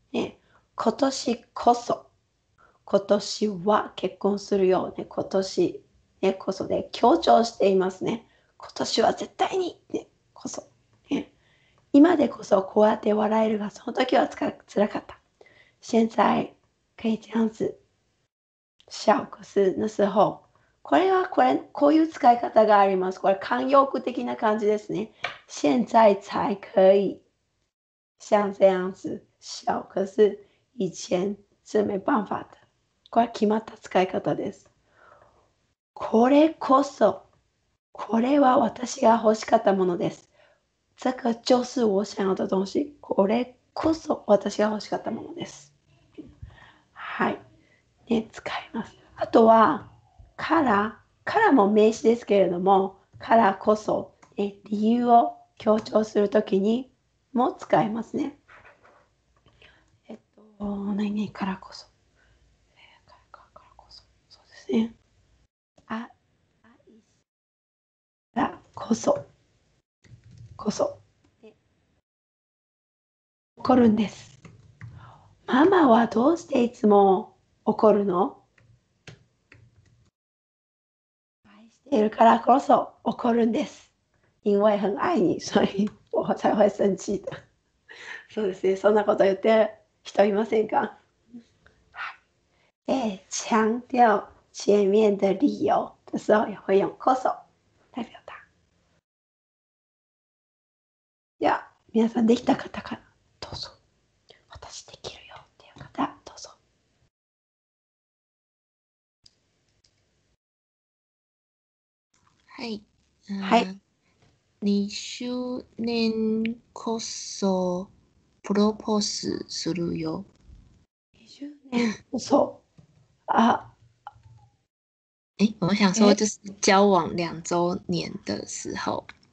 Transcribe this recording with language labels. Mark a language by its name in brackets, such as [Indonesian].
[Japanese] ね、今年こそ、今年は結婚するよう、ね、今年、ね、こそで強調していますね。今年は絶対に、ね、こそ。今でこそこうやって笑えるが、その時はつらかった。 [Chinese] 現在、可以这样子、笑可是那时候。 [Japanese] これは、これ、こういう使い方があります。これ、慣用句的な感じですね。 [Chinese] 現在才可以、像这样子、笑可是以前是没办法的。 [Japanese] これ、決まった使い方です。これこそ、これは私が欲しかったものです。 [Chinese] 这个就是我想要的东西。 [Japanese] これこそ私が欲しかったものです。はい。ね、使います。あとは、から、からも名詞ですけれども、からこそ、ね、理由を強調するときにも使いますね。何々からこそ。からこそ。そうですね。からこそ。こそ。怒るんです。ママはどうしていつも怒るの？愛しているからこそ怒るんです。 [Chinese] 因为很爱你，所以我才会生气的。 [Japanese] そうですね。そんなこと言ってる人いませんか？ [Chinese] 强调前面的理由的时候也会用こそ代表它。 [Japanese] いや、皆さんできた方かな？どうぞ。私できるよっていう方、どうぞ。はい。はい。 2周年こそプロポーズするよ。 2周年こそ。あ。 [Chinese] え、我想说就是交往2周年的时候。